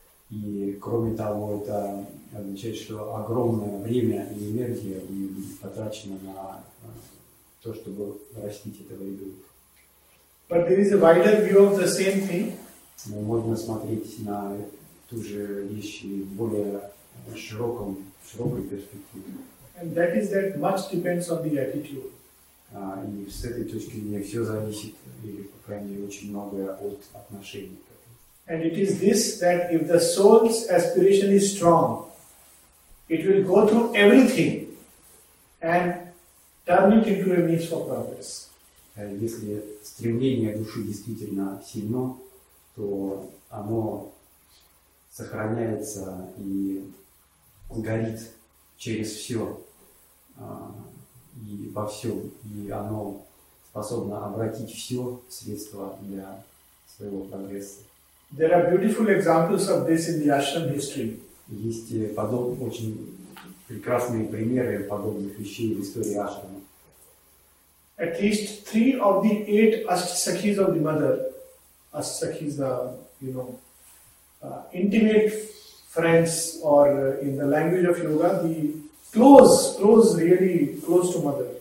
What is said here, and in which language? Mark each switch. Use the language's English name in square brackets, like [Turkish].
[Russian] И кроме того, это означает, что огромное время и энергия потрачено на то, чтобы растить этого ребенка. [English] But there is a wider view of the same thing. [Russian] Но можно смотреть на ту же вещь в более широкой перспективе. [English] And that is that much depends on the attitude. [Russian] И с этой точки зрения все зависит, или, по крайней мере, очень многое от отношений. [English] And it is this that if the soul's aspiration is strong, it will go through everything and turn it into a means for progress. [Russian] Если стремление души действительно сильно, то оно сохраняется и горит через все и во всем, и оно способно обратить все средства для своего прогресса. [English] There are beautiful examples of this in the ashram history. [Russian] Есть очень прекрасные примеры подобных вещей в истории ашрама. [English] At least three of the eight ashtasakhis of the mother, ashtasakhis, you know, intimate friends, or in the language of yoga, the close, really close to mother.